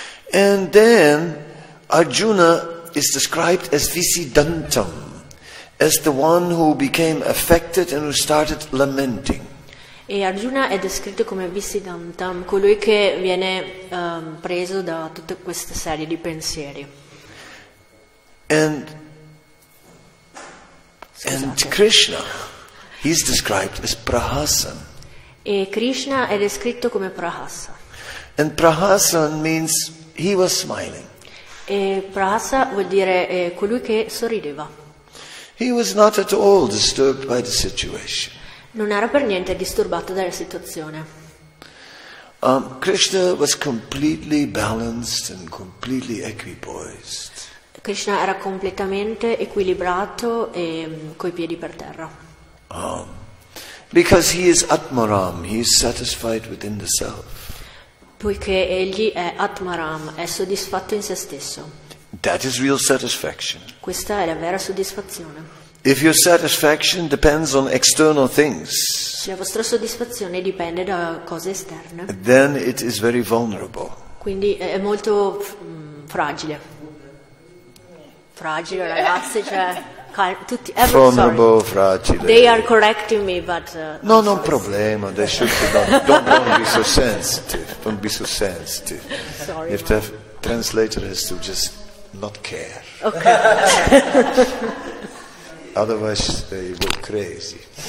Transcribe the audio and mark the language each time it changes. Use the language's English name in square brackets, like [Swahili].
[English] And then Arjuna is described as Visidantam, as the one who became affected and who started lamenting. [Italian] E Arjuna è descritto come Visidantam, colui che viene preso da tutta questa serie di pensieri. [English] And Krishna, he's described as Prahasan. [Italian] E Krishna è descritto come Prahasa. [English] And Prahasan means he was smiling. [Italian] E Prahasa vuol dire colui che sorrideva. [English] He was not at all disturbed by the situation. [Italian] Non era per niente disturbato dalla situazione. [English] Krishna was completely balanced and completely equipoised. [Italian] Krishna era completamente equilibrato e coi piedi per terra. [English] Because he is Atmaram, he is satisfied within the self. [Italian] Poiché egli è Atmaram, è soddisfatto in se stesso. [English] That is real satisfaction. [Italian] Questa è la vera soddisfazione. [English] If your satisfaction depends on external things, [Italian] se la vostra soddisfazione dipende da cose esterne, [English] then it is very vulnerable. [Italian] Quindi è molto fragile. Fragile, ragazze, cioè tutti. [English] Vulnerable, fragile. They are correcting me, but. [Italian] No, non so problema. [English] They should be don't be so sensitive. Don't be so sensitive. Sorry. If the translator has to just not care. Okay. Otherwise, they go crazy.